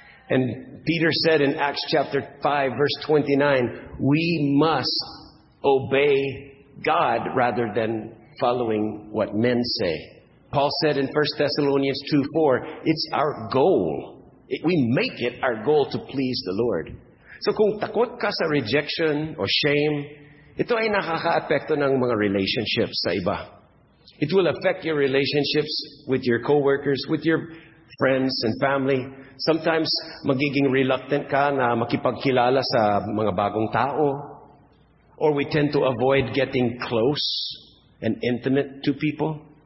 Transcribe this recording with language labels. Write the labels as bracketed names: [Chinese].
[English] And Peter said in Acts chapter 5, verse 29, we must obey God rather than following what men say. Paul said in 1 Thessalonians 2, 4, it's our goal. We make it our goal to please the Lord. [Filipino] So kung takot ka sa rejection or shame, ito ay nakaka-apekto ng mga relationships sa iba. [English] It will affect your relationships with your coworkers, with your friends and family. [Filipino] Sometimes, magiging reluctant ka na makipagkilala sa mga bagong tao. [English] Or we tend to avoid getting close and intimate to people.